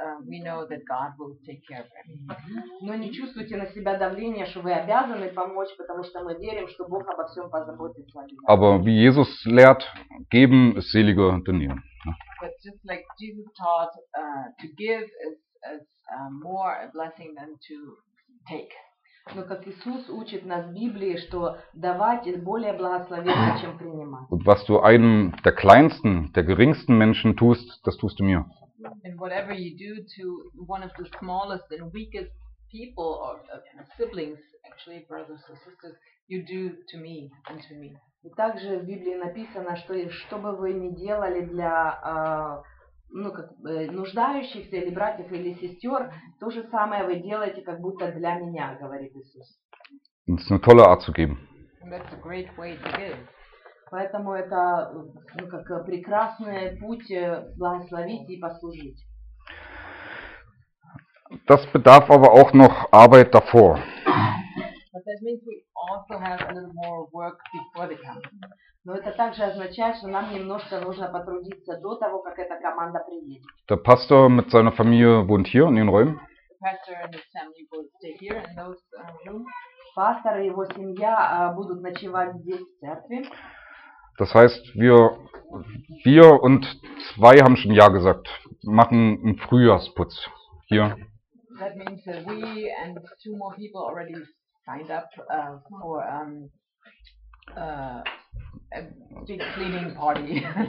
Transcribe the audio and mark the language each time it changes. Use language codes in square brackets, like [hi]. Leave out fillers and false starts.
[en] We know that God will take care of everything. [ru] Но не чувствуйте на себя давление, что вы обязаны помочь, потому что мы верим, что Бог обо всем позаботится. [de] Aber wie Jesus lehrt, geben ist seliger denn nehmen. [en] But just like Jesus taught, to give is more a blessing than to take. [ru] Но как Иисус учит нас в Библии, что давать более благословенно, чем принимать. [de] Und was du einem der kleinsten, der geringsten Menschen tust, das tust du mir. [en] And whatever you do to one of the smallest and weakest people or siblings, actually brothers or sisters, you do to me and to me. [ru] И также в Библии написано, что что бы вы ни делали для ну как нуждающихся или братьев или сестер, то же самое вы делаете, как будто для меня, говорит Иисус. [de] Это eine tolle Art zu geben. [en] That's a great way to give. [ru] Поэтому это ну как прекрасный путь благословить и послужить. [de] Das bedarf aber auch noch Arbeit davor. [en] But that means we also have a little more work before the camp. [ru] Но это также означает, что нам немножко нужно потрудиться до того, как эта команда приедет. [de] Der Pastor mit seiner Familie wohnt hier in den Räumen. [en] The pastor and his family will stay here in those rooms. [ru] Пастор и его семья будут ночевать здесь в церкви. [de] Das heißt, wir und zwei haben schon ja gesagt, machen einen Frühjahrsputz hier. [en] That means that we and two more people already signed up for a big cleaning party.